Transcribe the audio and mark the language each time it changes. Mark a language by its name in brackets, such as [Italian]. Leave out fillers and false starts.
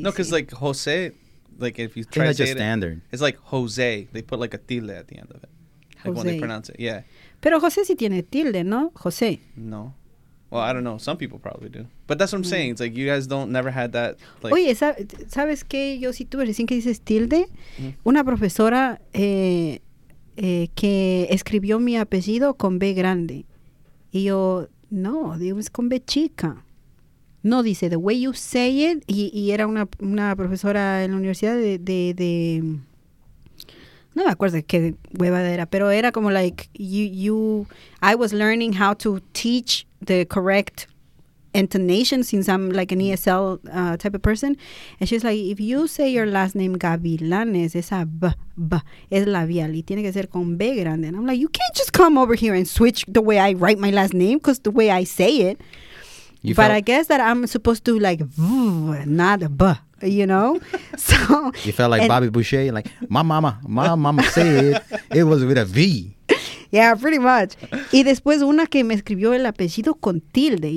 [English] No, because like Jose, like if you try to say just standard. It's like Jose. They put like a tilde at the end of it. Like Jose. When they pronounce it, yeah. [Spanish] Pero José sí tiene tilde, ¿no? José. [English] No. Well, I don't know. Some people probably do. But that's what I'm saying. It's like you guys don't never had that. Like, [Spanish] oye, ¿sabes qué? Yo sí tuve recién que dices tilde. Mm-hmm. Una profesora que escribió mi apellido con B grande. Y yo, [English] No, it was [Spanish] con B chica. [English] No, [Spanish] dice, [English] the way you say it, [Spanish] y era una profesora en la universidad de no me acuerdo qué huevada era, pero era como [English] like, you I was learning how to teach the correct intonation since I'm like an ESL type of person. And she's like, if you say your last name Gavilanes, [Spanish] esa b, es labial, y tiene que ser con B grande. [English] And I'm like, you can't just come over here and switch the way I write my last name because the way I say it. You but felt, I guess that I'm supposed to like, not a buh, you know? So you felt like Bobby Boucher, like, my mama said it was with a V. Yeah, pretty much. [Spanish] Y después una que me escribió el apellido con tilde.